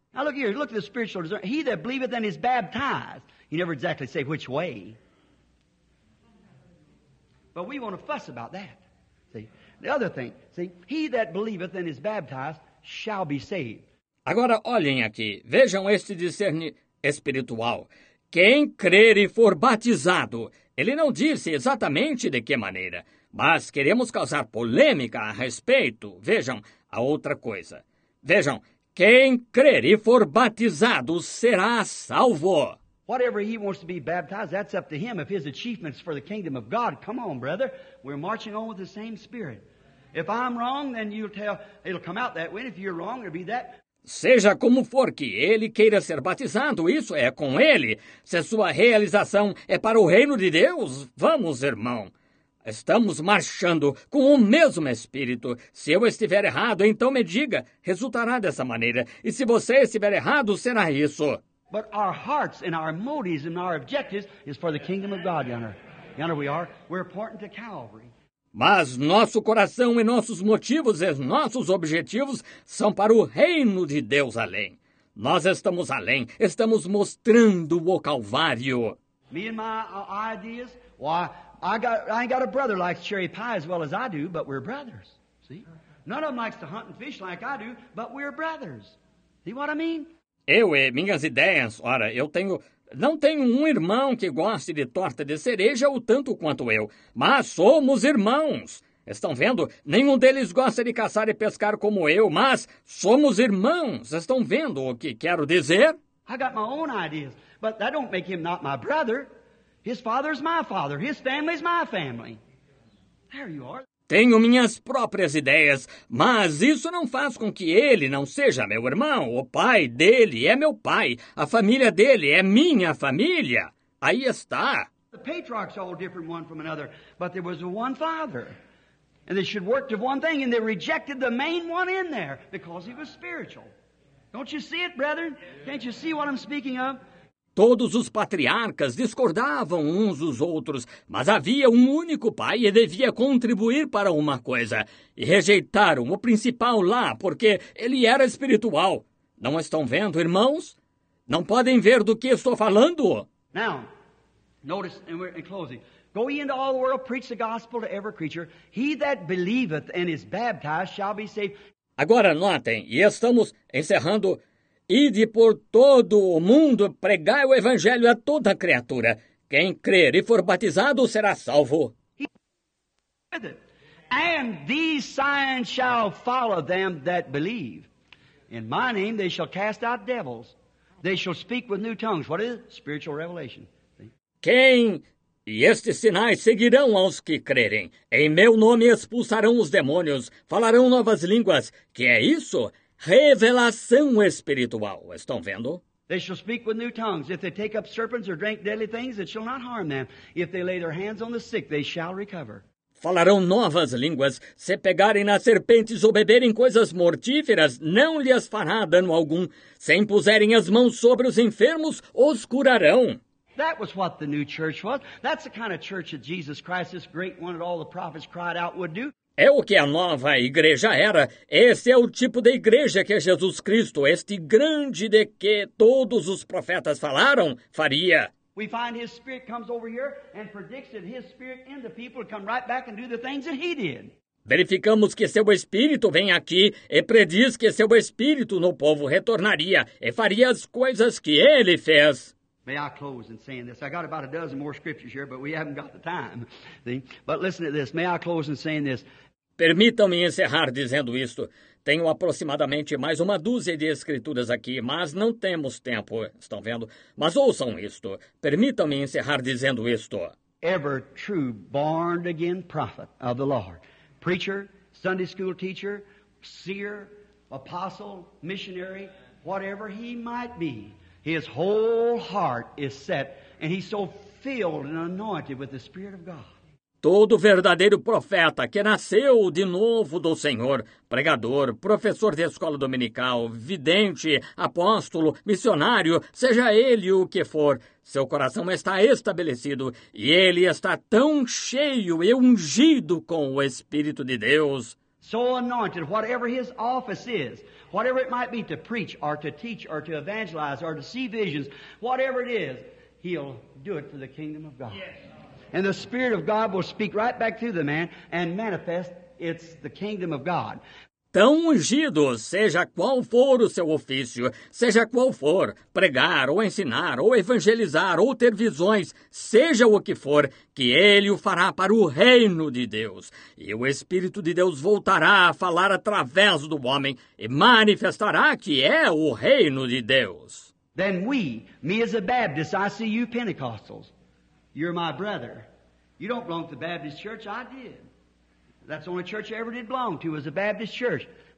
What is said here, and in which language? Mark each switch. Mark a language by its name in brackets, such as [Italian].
[English] Now look here, look at the spiritual discernment. He that believeth and is baptized. You never exactly say which way. But we want to fuss about that. See, the other thing, see, he that believeth and is baptized shall be saved. [Portuguese] Agora olhem aqui, vejam este discernimento espiritual. Quem crer e for batizado, ele não disse exatamente de que maneira, mas queremos causar polêmica a respeito. Vejam a outra coisa. Vejam, quem crer e for batizado será salvo. [English] Whatever he wants to be baptized, that's up to him. If his achievement's for the kingdom of God, come on, brother. We're marching on with the same spirit. If I'm wrong, then you'll tell, it'll come out that way. If you're wrong, it'll be that. [Portuguese] Seja como for que ele queira ser batizado, isso é com ele. Se a sua realização é para o reino de Deus, vamos, irmão. Estamos marchando com o mesmo espírito. Se eu estiver errado, então me diga, resultará dessa maneira. E se você estiver errado, será isso. [English] But our hearts and our motives and our objectives is for the kingdom of God, yonder. Yonder we are. We're important to Calvary. [Portuguese] Mas nosso coração e nossos motivos e nossos objetivos são para o reino de Deus além. Nós estamos além, estamos mostrando o Calvário. [English] Me and my ideas, why, I ain't got a brother likes cherry pie as well as I do, but we're brothers. See? None of them likes to hunt and fish like I do, but we're brothers. See what I mean? [Portuguese] Eu e minhas ideias, ora, eu tenho... Não tenho um irmão que goste de torta de cereja o tanto quanto eu, mas somos irmãos. Estão vendo? Nenhum deles gosta de caçar e pescar como eu, mas somos irmãos. Estão vendo o que quero dizer? [English] I got my own ideas. But that don't make him not my brother. His father's my father. His family's my family. There you are. [Portuguese] Tenho minhas próprias ideias, mas isso não faz com que ele não seja meu irmão. O pai dele é meu pai. A família dele é minha família. Aí está. [English] The patriarchs are all different one from another, but there was one father. And they should work to one thing, and they rejected the main one in there because he was spiritual. Don't you see it, brethren? Can't you see what I'm speaking of? [Portuguese] Todos os patriarcas discordavam uns dos outros, mas havia um único pai e devia contribuir para uma coisa. E rejeitaram o principal lá, porque ele era espiritual. Não estão vendo, irmãos? Não podem ver do que estou falando? [English] Now, notice, and we're in closing. Go ye into all the world, preach the gospel to every creature. He that believeth and is baptized shall be saved. [Portuguese] Agora notem, e estamos encerrando. Ide por todo o mundo, pregai o evangelho a toda criatura. Quem crer e for batizado será salvo. [English] And these signs shall follow them that believe. In my name they shall cast out devils. They shall speak with new tongues. What is it? Spiritual revelation. [Portuguese] Quem... E estes sinais seguirão aos que crerem. Em meu nome expulsarão os demônios, falarão novas línguas. Que é isso? Revelação espiritual. Estão vendo? [English] They shall speak with new tongues. If they take up serpents or drink deadly things, it shall not harm them. If they lay their hands on the sick, they shall recover. [Portuguese] Falarão novas línguas. Se pegarem nas serpentes ou beberem coisas mortíferas, não lhes fará dano algum. Se impuserem as mãos sobre os enfermos, os curarão. [English] That was what the new church was. That's the kind of church that Jesus Christ, this great one that all the prophets cried out would do. [Portuguese] É o que a nova igreja era. Esse é o tipo de igreja que Jesus Cristo, este grande de que todos os profetas falaram, faria. [English] We find his spirit comes over here and predicts that his spirit in the people would come right back and do the things that he did. [Portuguese] Verificamos que seu espírito vem aqui e prediz que seu espírito no povo retornaria e faria as coisas que ele fez. [English] May I close in saying this? I got about a dozen more scriptures here, but we haven't got the time. See? But listen to this. May I close in saying this? [Portuguese] Permitam-me encerrar dizendo isto. Tenho aproximadamente mais uma dúzia de escrituras aqui, mas não temos tempo. Estão vendo? Mas ouçam isto. Permitam-me encerrar dizendo isto. [English] Ever true born again prophet of the Lord, preacher, Sunday school teacher, seer, apostle, missionary, whatever he might be. His whole heart is set, and he's so filled and anointed with the Spirit of God. [Portuguese] Todo verdadeiro profeta que nasceu de novo do Senhor, pregador, professor de escola dominical, vidente, apóstolo, missionário, seja ele o que for, seu coração está estabelecido e ele está tão cheio e ungido com o Espírito de Deus. [English] So anointed, whatever his office is, whatever it might be, to preach or to teach or to evangelize or to see visions, whatever it is, he'll do it for the kingdom of God. Yes. And the Spirit of God will speak right back to the man and manifest it's the kingdom of God. [Portuguese] Tão ungido, seja qual for o seu ofício, seja qual for, pregar ou ensinar ou evangelizar ou ter visões, seja o que for, que ele o fará para o reino de Deus. E o Espírito de Deus voltará a falar através do homem e manifestará que é o reino de Deus. [English] Then we, me as a Baptist, I see you Pentecostals. You're my brother. You don't belong to the Baptist church, I did. That's the only church I ever did belong to, was a Baptist church.